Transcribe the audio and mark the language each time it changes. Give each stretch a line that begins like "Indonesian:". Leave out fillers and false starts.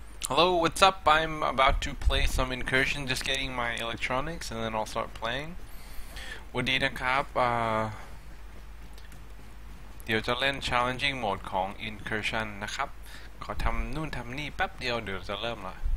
English: Hello, what's up? I'm about to play some incursion, just getting my electronics, and then I'll start playing.
Thai: วันนี้นะครับเดี๋ยวจะเล่น challenging mode ของ incursion นะครับขอทำนู่นทำนี่แป๊บเดียวเดี๋ยวจะเริ่มละ